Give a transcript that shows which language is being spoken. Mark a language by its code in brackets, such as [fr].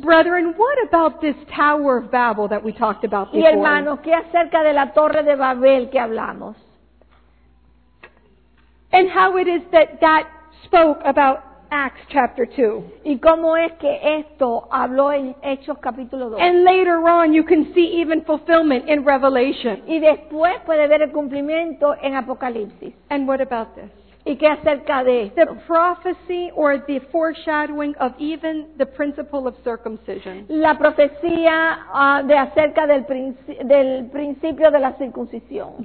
[en] Brethren, what about this Tower of Babel that we talked about before? [es] Y hermanos, ¿qué acerca de la Torre de Babel que hablamos? [en] And how it is that spoke about Acts chapter 2. [es] ¿Y cómo es que esto habló en Hechos capítulo 2? [en] And later on you can see even fulfillment in Revelation. [es] Y después puede ver el cumplimiento en Apocalipsis. [en] And what about this? [es] ¿Y qué acerca de esto? [en] The prophecy or the foreshadowing of even the principle of circumcision. [es] La profecía de acerca del principio de la circuncisión.